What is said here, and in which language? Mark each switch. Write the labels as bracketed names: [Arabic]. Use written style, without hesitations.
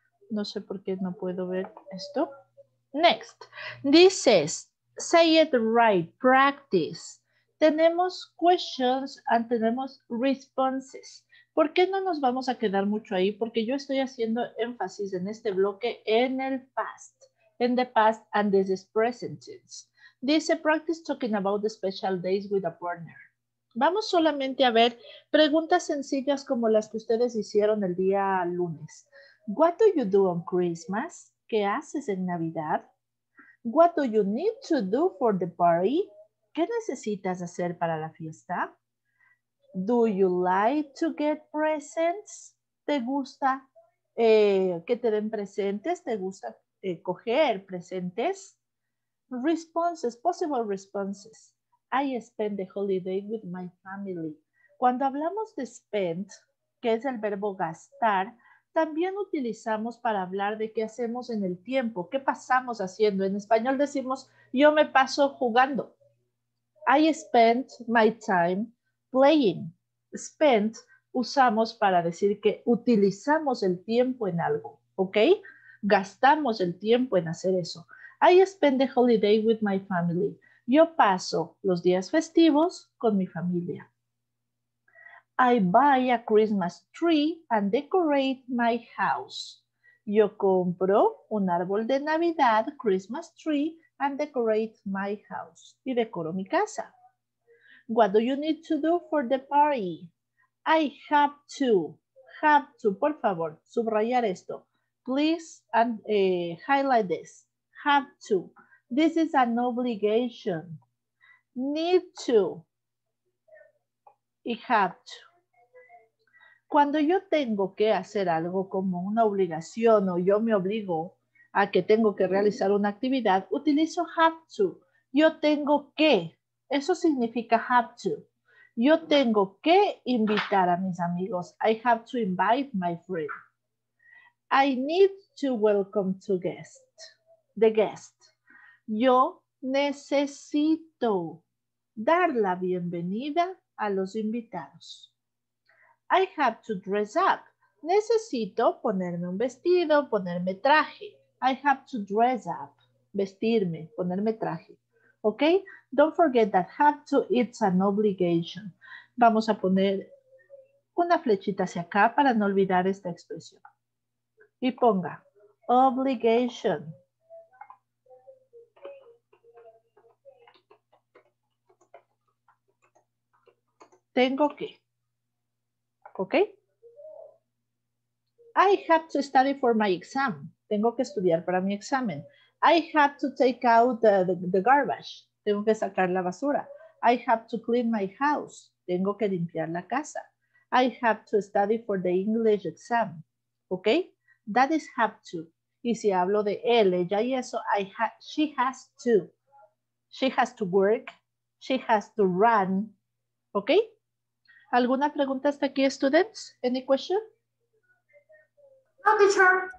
[Spanish] No sé por qué no puedo ver esto. [English] Next. This is, say it right, practice. [Spanish] Tenemos [English] questions and [Spanish] tenemos [English] responses. [Spanish] ¿Por qué no nos vamos a quedar mucho ahí? Porque yo estoy haciendo énfasis en este bloque en el past. [English] In the past and this is present tense. This is a practice talking about the special days with a partner. [Spanish] Vamos solamente a ver preguntas sencillas como las que ustedes hicieron el día lunes. [English] What do you do on Christmas? [Spanish] ¿Qué haces en Navidad? [English] What do you need to do for the party? [Spanish] ¿Qué necesitas hacer para la fiesta? [English] Do you like to get presents? [Spanish] ¿Te gusta que te den presentes? ¿Te gusta coger presentes? [English] Responses, possible responses. I spend the holiday with my family. [Spanish] Cuando hablamos de spend, que es el verbo gastar, también utilizamos para hablar de qué hacemos en el tiempo, qué pasamos haciendo. En español decimos, yo me paso jugando. [English] I spend my time playing. [Spanish] Spend usamos para decir que utilizamos el tiempo en algo, ¿ok? Gastamos el tiempo en hacer eso. [English] I spend the holiday with my family. [Spanish] Yo paso los días festivos con mi familia. [English] I buy a Christmas tree and decorate my house. [Spanish] Yo compro un árbol de Navidad, [English] Christmas tree, and decorate my house. [Spanish] Y decoro mi casa. [English] What do you need to do for the party? I have to, [Spanish] por favor, subrayar esto. [English] Please and highlight this. Have to. This is an obligation. Need to. Y have to. [Spanish] Cuando yo tengo que hacer algo como una obligación o yo me obligo a que tengo que realizar una actividad, utilizo have to. Yo tengo que. Eso significa have to. Yo tengo que invitar a mis amigos. [English] I have to invite my friend. I need to welcome to guest, the guest. [Spanish] Yo necesito dar la bienvenida a los invitados. [English] I have to dress up. [Spanish] Necesito ponerme un vestido, ponerme traje. [English] I have to dress up. [Spanish] Vestirme, ponerme traje. [English] ¿Ok? Don't forget that have to, it's an obligation. [Spanish] Vamos a poner una flechita hacia acá para no olvidar esta expresión. Y ponga obligation. Tengo que. ¿Ok? [English] I have to study for my exam. [Spanish] Tengo que estudiar para mi examen. [English] I have to take out the garbage. [Spanish] Tengo que sacar la basura. [English] I have to clean my house. [Spanish] Tengo que limpiar la casa. [English] I have to study for the English exam. ¿Ok? That is have to. [Spanish] Y si hablo de él, ella y eso, [English] she has to. She has to work. She has to run. ¿Ok? [Spanish] ¿Alguna pregunta hasta aquí, students? [English] Any question? [Spanish] No, teacher.